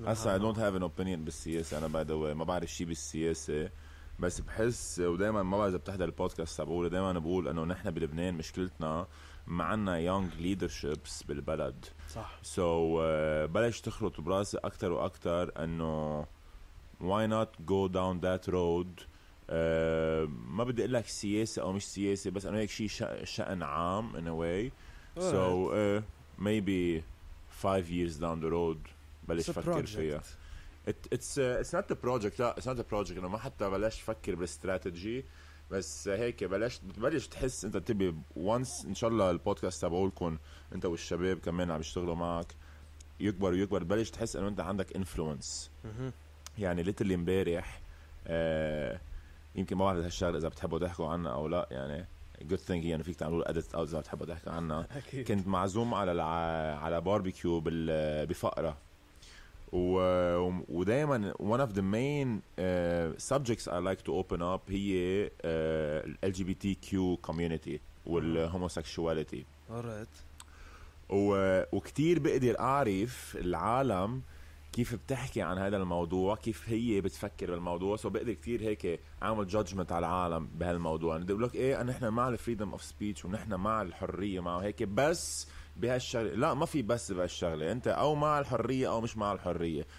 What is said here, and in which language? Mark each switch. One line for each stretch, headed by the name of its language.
Arabic: هسا
English: I don't have an opinion
Arabic: بالسياسه انا،
English: by the way
Arabic: ما بعرف شيء بالسياسه، بس بحس ودائما ما بعرف اذا بتحضر البودكاست تبعولي، دائما انا بقول انه نحن بلبنان مشكلتنا معنا
English: young leaderships
Arabic: بالبلد. صح. سو بلش تخلط براسي اكثر واكثر انه
English: why not go down that road.
Arabic: ما بدي اقول لك سياسه او مش سياسه، بس انه هيك شيء شان عام
English: in a way. So maybe 5 years down the road
Arabic: بلش افكر فيها.
English: It's not the project. لا it's not the project.
Arabic: انه ما حتى بلشت افكر بالاستراتيجي، بس هيك بلشت تحس انت تبي once ان شاء الله البودكاست تبعولكم انت والشباب كمان عم يشتغلوا معك يكبر ويكبر، بلشت تحس انه انت عندك influence. يعني literally امبارح يمكن ما بعرف هالشغل اذا بتحبوا تحكوا عنه او لا، يعني
English: good thing
Arabic: يعني فيك تعملوا
English: edit out
Arabic: اذا بتحبوا تحكوا عنه. كنت معزوم على على باربيكيو بفقرة، ودائما
English: one of the main subjects I like to open up
Arabic: هي LGBTQ community والهوموسيكشواليتي.
English: alright.
Arabic: وكتير بقدر أعرف العالم كيف بتحكي عن هذا الموضوع، كيف هي بتفكر بالموضوع، وبقدر كتير هيك عامل judgment على العالم بهالموضوع. أنا بقول لك إيه، أن إحنا مع freedom of speech ونحن مع الحرية مع هيك، بس بهالشغلة لا، ما في بس بهالشغلة، انت او مع الحرية او مش مع الحرية.